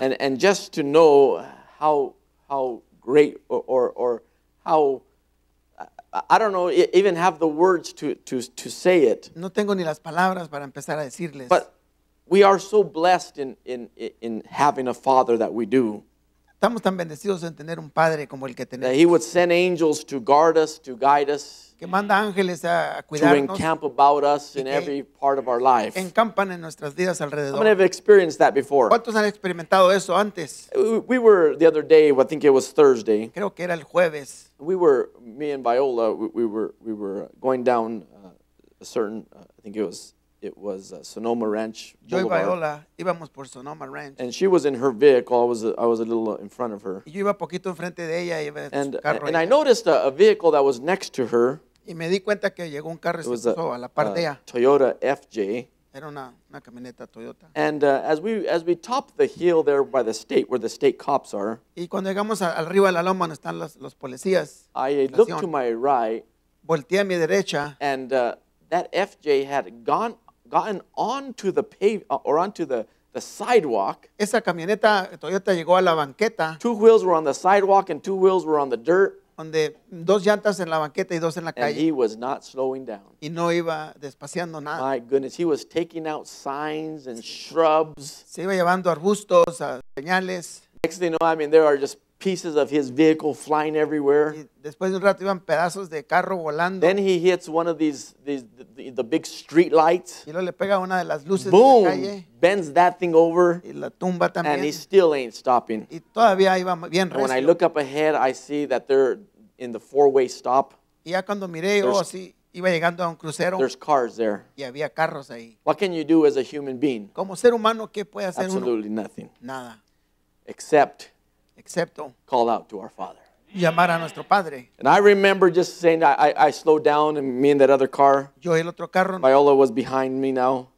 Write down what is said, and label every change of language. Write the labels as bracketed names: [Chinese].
[English] And just to know how great or how, I don't know, even have the words to say it. [Spanish] No tengo ni las palabras para empezar a decirles. [English] But we are so blessed in having a father that we do. [Spanish] Estamos tan bendecidos en tener un padre como el que tenemos. [English] That he would send angels to guard us, to guide us. [Spanish] Que manda ángeles a cuidarnos. [English] To encamp about us in every part of our life. [Spanish] Encampan en nuestras vidas alrededor. [English] How many have experienced that before? [Spanish] ¿Cuántos han experimentado eso antes? [English] We were the other day, I think it was Thursday. [Spanish] Creo que era el jueves. [English] We were, me and Viola, we were going down a certain, I think it was It was Sonoma Ranch Boulevard. [Spanish] Yo y Viola íbamos por Sonoma Ranch. [English] And she was in her vehicle. I was a little in front of her. [Spanish] Yo iba poquito enfrente de ella, iba en [English] and, [Spanish] su carro [English] and ella. I noticed a vehicle that was next to her. [Spanish] Y me di cuenta que llegó un carro y se puso a la par de ella. [English] Toyota FJ. [Spanish] Era una camioneta Toyota. [English] And as we topped the hill there by the state where the state cops are. [Spanish] Y cuando llegamos al río de la Loma donde están los policías. [English] I looked to my right. [Spanish] Volteé a mi derecha. [English] And that FJ had gotten onto the the sidewalk. [Spanish] Esa camioneta Toyota llegó a la banqueta. [English] Two wheels were on the sidewalk and two wheels were on the dirt. [Spanish] Donde dos llantas en la banqueta y dos en la calle. [English] And he was not slowing down. [Spanish] Y no iba despaciando nada. [English] My goodness, he was taking out signs and shrubs. [Spanish] Se iba llevando arbustos, señales. [English] Next thing you know, I mean, there are just pieces of his vehicle flying everywhere. [Spanish] Y después de un rato iban pedazos de carro volando. [English] Then he hits one of the big street lights. [Spanish] Y luego le pega una de las luces. [English] Boom, [Spanish] de la calle. [English] Boom, bends that thing over. [Spanish] Y la tumba también. [English] And he still ain't stopping. [Spanish] Y todavía iba bien recio. [English] When I look up ahead, I see that they're in the four-way stop. [Spanish] Y ya cuando miré, así iba llegando a un crucero. [English] There's cars there. [Spanish] Y había carros ahí. [English] What can you do as a human being? [Spanish] Como ser humano, ¿qué puede hacer [English] Absolutely [Spanish] uno? [English] Absolutely nothing. [Spanish] Nada. [English] Except. [Spanish] Excepto. [English] Call out to our Father. [Spanish] Llamar a nuestro padre. [English] And I remember just saying, I slowed down, and me and that other car. [Spanish] Yo el otro carro. [English] Viola was behind me now.